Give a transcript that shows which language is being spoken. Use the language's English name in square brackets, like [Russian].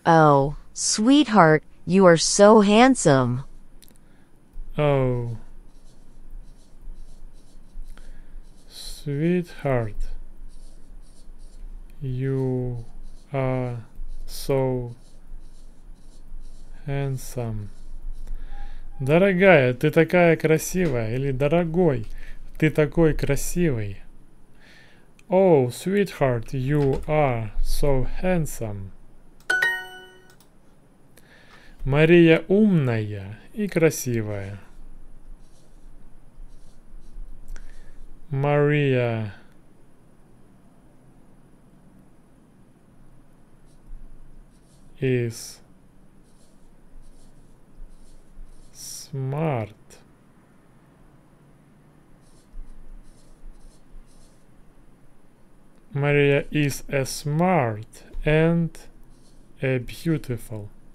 [English] Oh, sweetheart, you are so handsome. Oh. Sweetheart, you are so handsome. [Russian] Дорогая, ты такая красивая, или дорогой, ты такой красивый. [English] Oh, sweetheart, you are so handsome. [Russian] Мария умная и красивая. [English] Мария is smart Maria is a smart and a beautiful